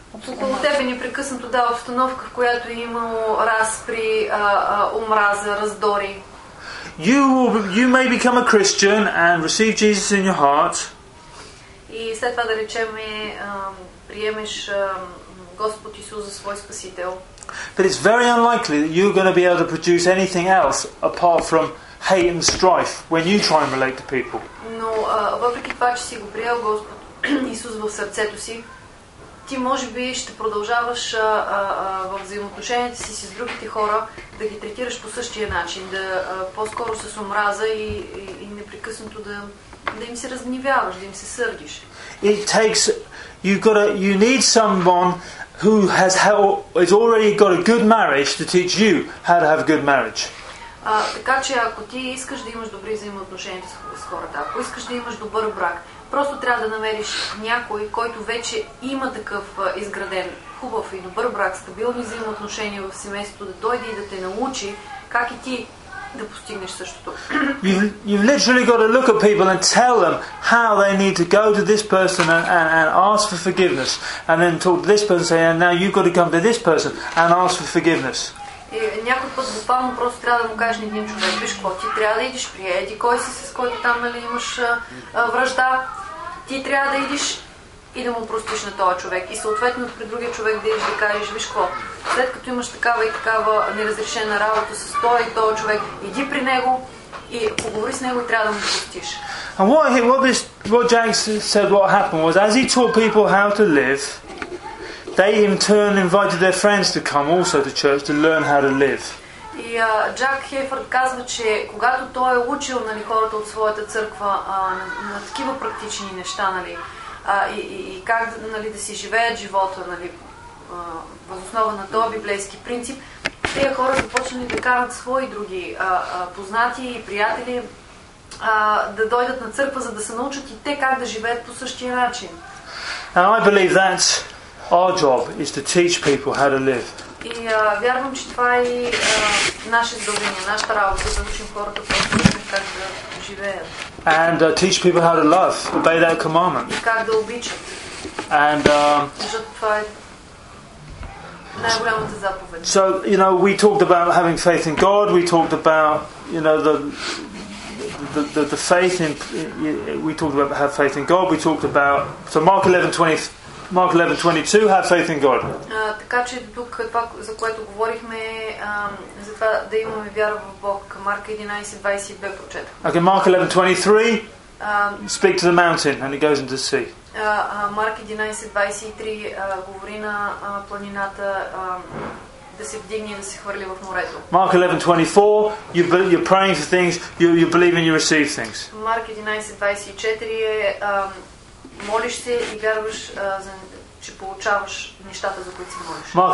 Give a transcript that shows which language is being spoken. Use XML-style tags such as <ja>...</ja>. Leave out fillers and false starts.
<bg>около тебе непрекъснато дава обстановка, в която е имало разпри, омраза, раздори.</bg> <en>You may become a Christian and receive Jesus in your heart.</en> <bg>И след това, да речем, приемеш Господ Исус за свой спасител.</bg> <en>But it's very unlikely that you're going to be able to produce anything else apart from hate and strife when you try and relate to people.</en> <bg>Но въпреки това, че си го приел Господ Исус в сърцето си, ти може би ще продължаваш във взаимоотношенията си с другите хора да ги третираш по същия начин, да по-скоро с омраза и непрекъснато да им се разгневяваш, да им се сърдиш.</bg> <en>It takes, you need someone who has already got a good marriage to teach you how to have a good marriage.</en> <bg>Така че ако ти искаш да имаш добри взаимоотношения с хората, ако искаш да имаш добър брак, просто трябва да намериш някой, който вече има такъв изграден хубав и добър брак, стабилни взаимоотношения в семейството, да дойде и да те научи как и ти да постигнеш същото.</bg> <en>You've literally got to look at people and tell them how they need to go to this person and ask for forgiveness. And then talk to this person and say, now you've got to come to this person and ask for forgiveness.</en> <bg>И някой път буквално просто трябва да му кажеш на един човек, виж какво, ти трябва да идиш при еди кой си, с който там, нали, имаш връжда, ти трябва да идиш и да му простиш на този човек. И съответно при другия човек да идиш да кажеш, виж какво, след като имаш такава и такава неразрешена работа с той и този човек, иди при него и поговори с него и трябва да му простиш.</bg> <en>And what Jack said what happened was, as he taught people how to live, they in turn invited their friends to come also to church to learn how to live.</en> <bg>И Джак Хейфърд казва, че когато той е учил, нали, хората от своята църква на такива практични неща, нали, и как, нали, да си живеят живота, нали, въз основа на този библейски принцип, тия хора започнали да карат свои други познати и приятели да дойдат на църква, за да се научат и те как да живеят по същия начин.</bg> <en>And I believe that our job is to teach people how to live.</en> <bg>И вярвам, че това е наше задължение, нашата работа, да учим хората как да живеят.</bg> <en>And teach people how to love, obey that commandment.</en> <bg>И как да обичат.</bg> <en>And</en> <bg>това е най-голямата заповед.</bg> <en>So, you know, we talked about having faith in God, we talked about you know, the faith in, we talked about have faith in God. We talked about, so Mark 11:22, have faith in God.</en> <bg>Така че тук това, за което говорихме, за това да имаме вяра в Бог. Марк 11:22 прочетахме.</bg> <en>Okay, Mark 11:23. Speak to the mountain and it goes into the sea.</en> <bg>Марк 11:23 говори на планината да се вдигне и да се хвърли в морето.</bg> <en>Mark 11:24, you're praying for things, you believe and you receive things.</en> <bg>Марк 11:24 е молиш се и вярваш за че получаваш нещата, за които си молиш.</bg>